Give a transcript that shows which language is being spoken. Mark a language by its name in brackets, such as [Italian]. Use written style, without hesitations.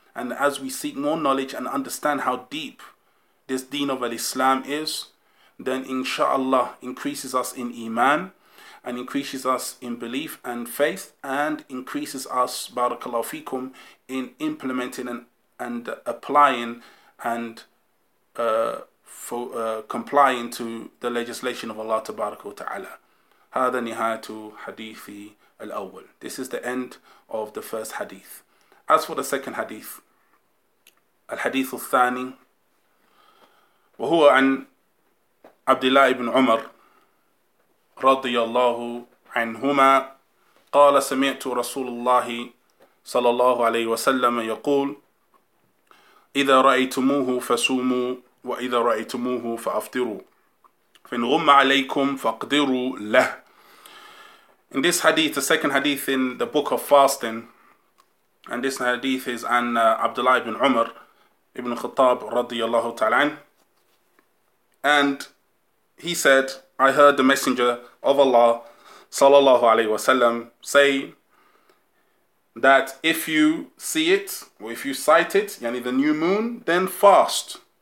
[English] And as we seek more knowledge and understand how deep this deen of Al-Islam is, then inshallah increases us in iman and increases us in belief and faith, and increases us, barakallahu fikum, in implementing and applying and complying to the legislation of Allah tabaraka wa ta'ala. [Arabic] هذا نهاية حديثي الأول. [English] This is the end of the first hadith. As for the second hadith, [Arabic] الحديث الثاني وهو عن عبد الله بن عمر رضي الله عنهما قال سمعت رسول الله صلى الله عليه وسلم يقول إذا رأيتموه فصوموا وإذا رأيتموه فأفطروا فإن غم عليكم فاقدروا له. [English] In this hadith, the second hadith in the book of fasting, and this hadith is an Abdullah ibn Umar ibn Khattab radiyallahu ta'ala, and he said, I heard the Messenger of Allah sallallahu alayhi wa sallam say that if you see it, or if you sight it, yani the new moon, then fast.